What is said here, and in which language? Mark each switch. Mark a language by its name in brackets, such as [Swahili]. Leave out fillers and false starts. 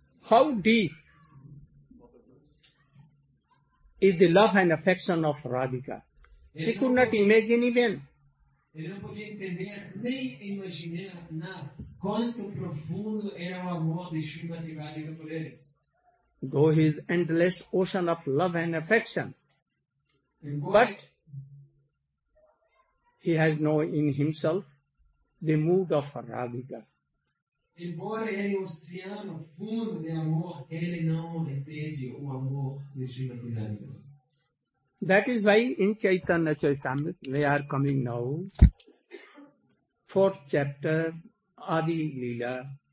[English] How deep is the love and affection of Radhika? He could not imagine even. [Portuguese] Ele não podia entender, nem imaginar nada, quanto profundo era o amor de Srimati Radhika por ele. [English] Though his endless ocean of love and affection, but he has no in himself the mood of Radhika. [Portuguese] Embora ele é um oceano fundo de amor, ele não entende o amor de Srimati Radhika. [English] That is why in Chaitanya Charitamrita we are coming now, fourth chapter, Adi Leela.